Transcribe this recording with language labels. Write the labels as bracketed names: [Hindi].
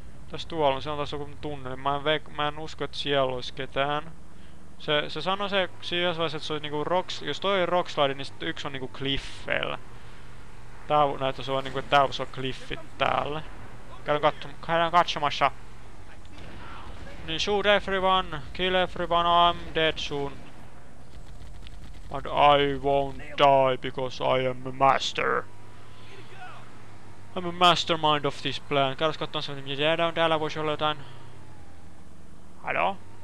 [Finnish] Tässä tuolla, se on taas joku tunne. Mä en usko, että siellä olisi ketään. Se sanoi se siinä vaiheessa, että se oli niinku rocks, jos toi on rockslide, niin sit yksi on niinku cliffeillä. Tää näyttäisi olla niinku, että tää voisi olla cliffit täällä. Käydään katsomassa. [English] Niin shoot everyone, kill everyone, I'm dead soon. But I won't die because I am a master. I'm a mastermind of this plan. [Finnish] Käydäs kattoon se, mitä jäädä on täällä, voisi olla jotain. Halo?